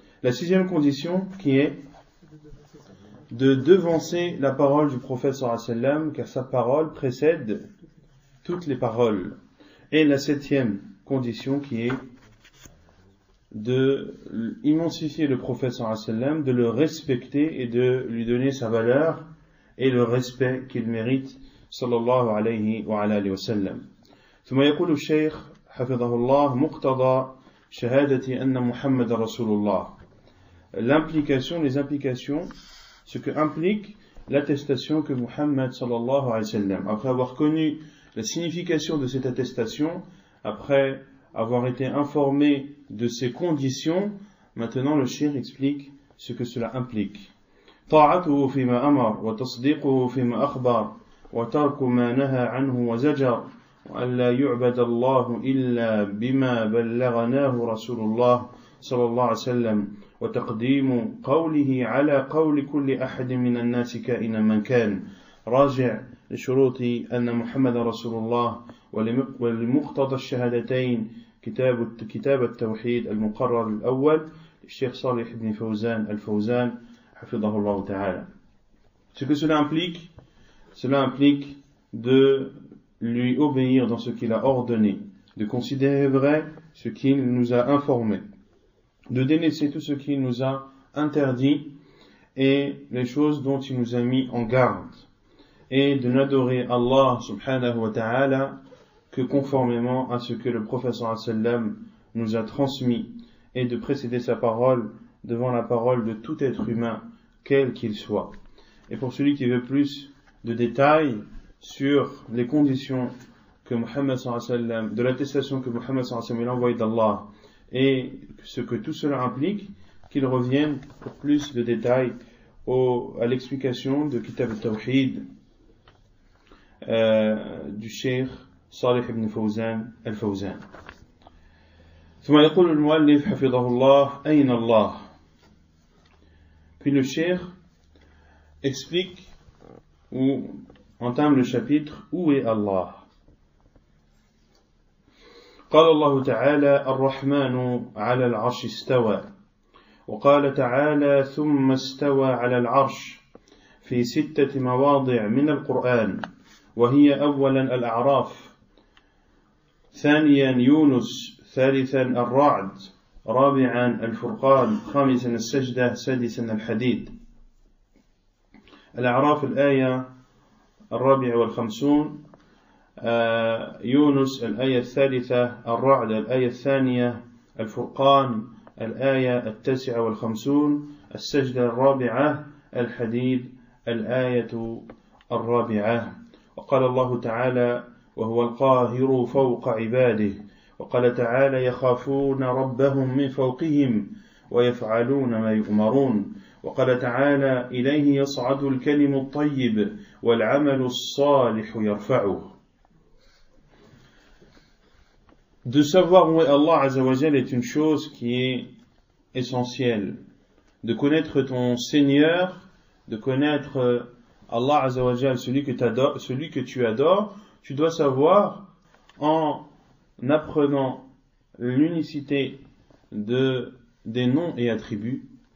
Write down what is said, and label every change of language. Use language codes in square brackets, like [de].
[fr] La sixième condition qui est de devancer la parole du prophète sallallahu alayhi wa sallam, car sa parole précède toutes les paroles. Et la septième condition qui est de immensifier le prophète sallallahu alayhi wa sallam, de le respecter et de lui donner sa valeur et le respect qu'il mérite sallallahu alayhi wa sallam. [ar] ثم يقول الشيخ حفظه الله مقتضى شهادة أن محمد رسول الله. [fr] L'implication, les implications, ce que implique l'attestation que Muhammad sallallahu alayhi wa sallam. Après avoir connu la signification de cette attestation, après avoir été informé de ses conditions, maintenant le shaykh explique ce que cela implique. [ar] طاعته فيما أمر وتصديقه فيما أخبر وترك ما نهى عنه وزجر وأن لا يعبد الله إلا بما بلغناه رسول الله صلى الله عليه وسلم وتقديم قوله على قول كل أحد من الناس كائنا من كان راجع لشروط أن محمد رسول الله ولمقتضى الشهادتين كتاب التوحيد المقرر الأول الشيخ صالح بن فوزان الفوزان حفظه الله تعالى. [fr] Ce que cela implique, de lui obéir dans ce qu'il a ordonné, de considérer vrai ce qu'il nous a informé, de délaisser tout ce qu'il nous a interdit et les choses dont il nous a mis en garde, et de n'adorer Allah subhanahu wa ta'ala que conformément à ce que le prophète sallallahu alayhi wa sallam nous a transmis, et de précéder sa parole devant la parole de tout être humain, quel qu'il soit. Et pour celui qui veut plus de détails sur les conditions que Muhammad sallallahu alayhi wa sallam, de l'attestation que Muhammad sallallahu alayhi wa sallam est l'envoyé d'Allah et ce que tout cela implique, qu'il revienne pour plus de détails à l'explication de Kitab al-Tawhid du Cheikh Salih ibn Fawzan al-Fawzan. [ar] ثم يقول المؤلف حفظه الله أين الله. [fr] Puis le Cheikh explique ou entame le chapitre Où est Allah. [ar] قال الله تعالى الرحمن على العرش استوى وقال تعالى ثم استوى على العرش في ستة مواضع من القرآن وهي أولا الأعراف ثانيا يونس ثالثا الرعد رابعا الفرقان خامسا السجدة سادسا الحديد الأعراف الآية 54 يونس الآية 3 الرعد الآية 2 الفرقان الآية 59 السجدة 4 الحديد الآية 4 وقال الله تعالى وهو القاهر فوق عباده وقال تعالى يخافون ربهم من فوقهم ويفعلون ما يؤمرون وقال تعالى إليه يصعد الكلم الطيب والعمل الصالح يرفعه. [fr] De savoir où est Allah Azzawajal est une chose qui est essentielle. De connaître ton Seigneur, de connaître Allah Azzawajal, celui que tu adores, tu dois savoir en apprenant l'unicité des noms et attributs.